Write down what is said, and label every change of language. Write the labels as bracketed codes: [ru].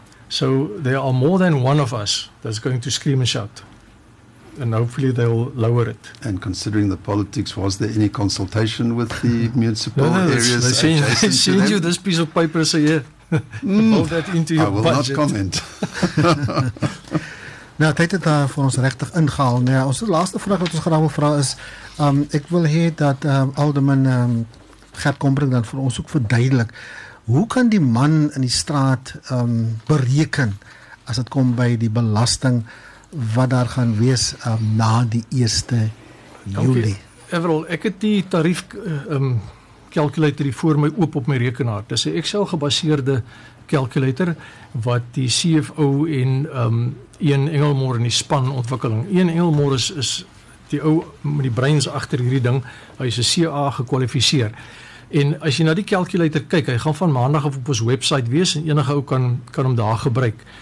[en] So there are more than one of us that's going to scream and shout. And hopefully they'll lower it. And considering the politics, was there any consultation with the municipal areas? They send you this piece of paper and say, yeah, hold that into your budget. I will not comment. [af] Nou, tyd het daar vir ons rechtig ingehaal. Nou, ons laaste vraag wat ons graag wil vraag is, ek wil hê dat Alderman Gert Kombrink dan vir ons ook verduidelik, hoe kan die man in die straat bereken as het kom by die belasting wat daar gaan wees na die 1 juli? Everal, ek het die tarief calculator hier voor my oop op my rekenaar. Dit is 'n Excel gebaseerde calculator wat die CFO en Ian Engelmore in die span ontwikkeling. Ian Engelmore is die ou met die brains agter hierdie ding. Hy is 'n CA gekwalifiseer. En as jy na die calculator kyk, hy gaan van maandag op ons website wees en enige ou kan hom daar gebruik.